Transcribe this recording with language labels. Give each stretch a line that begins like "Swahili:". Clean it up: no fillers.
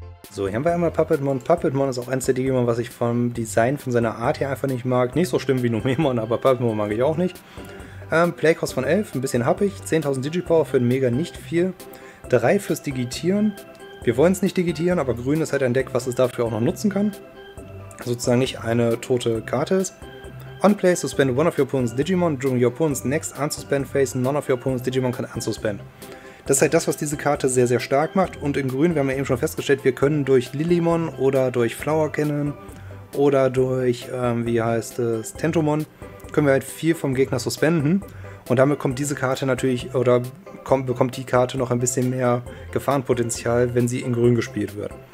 German: So, hier haben wir einmal Puppetmon. Puppetmon ist auch eins der Digimon, was ich vom Design, von seiner Art her einfach nicht mag. Nicht so schlimm wie Numemon, aber Puppetmon mag ich auch nicht. Playcost von 11, ein bisschen happig. 10.000 Digipower für ein Mega nicht viel. 3 fürs Digitieren. Wir wollen es nicht digitieren, aber Grün ist halt ein Deck, was es dafür auch noch nutzen kann. Sozusagen nicht eine tote Karte ist.
English: On play, suspend one of your opponent's Digimon. During your opponent's next unsuspend phase, none of your opponent's Digimon can unsuspend.
German: Das ist halt das, was diese Karte sehr, sehr stark macht. Und in Grün, wir haben ja eben schon festgestellt, wir können durch Lilimon oder durch Flower Cannon oder durch, wie heißt es, Tentomon, können wir halt viel vom Gegner suspenden. Und damit kommt diese Karte natürlich, oder bekommt die Karte noch ein bisschen mehr Gefahrenpotenzial, wenn sie in Grün gespielt wird.